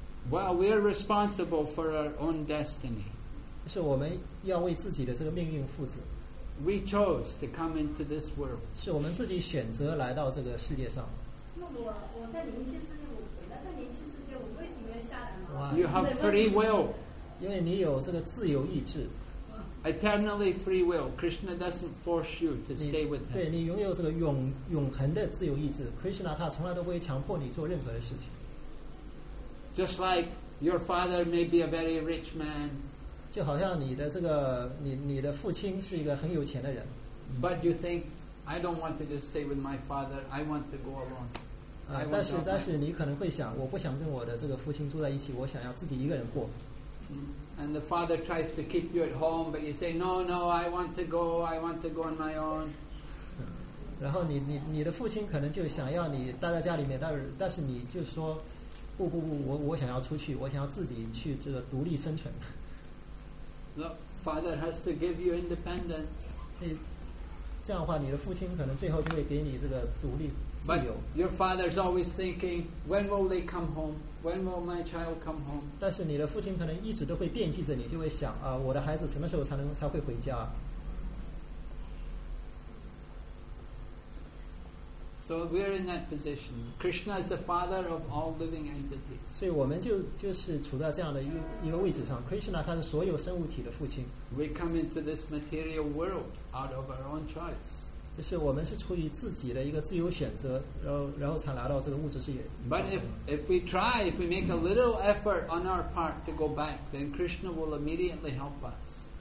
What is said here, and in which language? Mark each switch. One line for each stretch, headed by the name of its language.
English: Well, we are responsible for our own destiny.
Chinese: 是我们要为自己的这个命运负责。
English: We chose to come into this world. 是我们自己选择来到这个世界上。
Chinese: 那我在灵性世界，我来到灵性世界，我为什么要下来呢？
English: Wow. You have free will.
Chinese: 因为你有这个自由意志。
English: Eternally free will. Krishna doesn't force you to stay with him.
Chinese: 对，你拥有这个永恒的自由意志。 Krishna 他从来都不会强迫你做任何的事情。
English: Just like your father may be a very rich man,
Chinese: 就好像你的这个你的父亲是一个很有钱的人。
English: But you think, I don't want to just stay with my father. I want to go alone.
Chinese: 但是你可能会想，我不想跟我的这个父亲住在一起，我想要自己一个人过。
English: And the father tries to keep you at home, but you say, No, no, I want to go. I want to go on my own.
Chinese: 然后你的父亲可能就想要你待在家里面，但是你就说。不，我想要出去，我想要自己去这个独立生存。
English: The father has to give you independence.
Chinese: 这样的话，你的父亲可能最后就会给你这个独立自由。
English: But your father is always thinking, when will they come home? When will my child come home?
Chinese: 但是你的父亲可能一直都会惦记着你，就会想啊，我的孩子什么时候才会回家？
English: So we're in that position. Krishna is the father of all living entities.
Chinese: 所以我们就是处在这样的一个位置上。 Krishna 他是所有生物体的父亲。
English: We come into this material world out of our own choice.
Chinese: 就是我们是出于自己的一个自由选择，然后才来到这个物质世界。
English: But if we make a little effort on our part to go back, then Krishna will immediately help us.